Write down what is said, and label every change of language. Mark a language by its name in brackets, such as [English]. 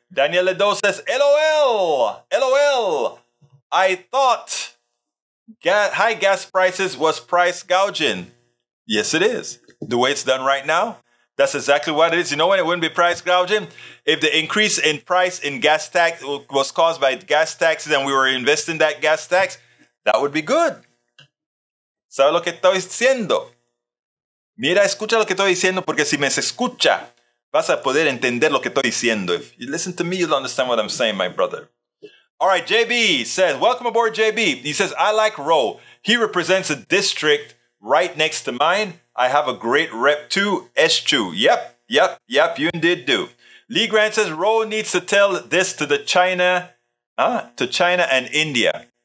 [English] Daniel Ledo says, LOL, I thought high gas prices was price gouging. Yes, it is. The way it's done right now, that's exactly what it is. You know when it wouldn't be price gouging? If the increase in price in gas tax was caused by gas taxes and we were investing that gas tax, that would be good. [Spanish] ¿Sabe lo que estoy diciendo? Mira, escucha lo que estoy diciendo, porque si me escucha, vas a poder entender lo que estoy diciendo. [English] If you listen to me, you'll understand what I'm saying, my brother. All right, JB says, welcome aboard, JB. He says, I like Roe. He represents a district right next to mine. I have a great rep too, Eschew. Yep, you indeed do. Lee Grant says, Roe needs to tell this to the China and India.